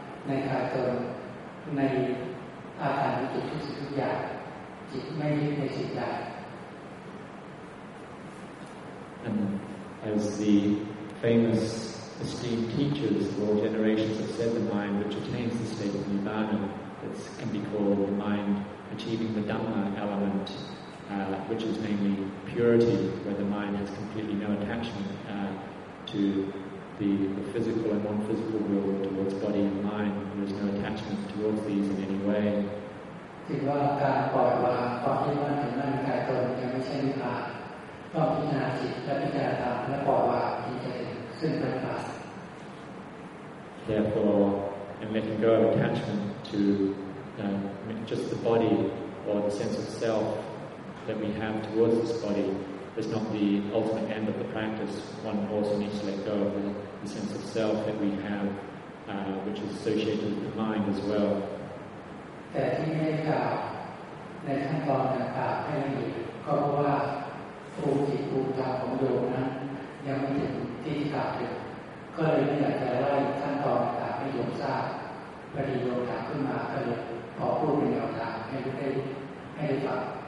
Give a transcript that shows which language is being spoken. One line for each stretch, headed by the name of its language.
Thai: ในขาตนในอาการจิตทุกสิ่งทุกอย่างจิตไม่ยึดในสิ่งใด
English: And as the famous esteemed teachers of all generations have said, the mind which attains the state of nirvana, that can be called the mind achieving the dhamma element, which is namely purity, where the mind has completely no attachment to. The physical and non-physical world towards body and mind. There is no attachment towards these in any way.
Thai: ถือว่าการปล่อยวางความยึดมั่นถือมั่นกายตนยังไม่ใช่นิพพานต้องพิจารณาจิตและพิจารณาธรรมและปล่อยวางที่จะเป็นซึ่งเป็นนิพพาน
English: Therefore, in letting go of attachment to just the body or the sense of self that we have towards this body. It's not the ultimate end of the practice. One also needs to let go of the sense of self that we have, which is associated with the mind as well.
Thai: แต่ที่ไม่กล่าวในขั้นตอนต่างๆให้ละเอียดก็เพราะว่าภูมิจิตภูมิธรรมของโยมนั้นยังไม่ถึงที่กล่าวถึงก็เลยไม่อยากจะไล่ขั้นตอนต่างๆให้โยมทราบประเดี๋ยวโยมถามขึ้นมาก็เลยขอพูดเป็นแนวทางให้ฟัง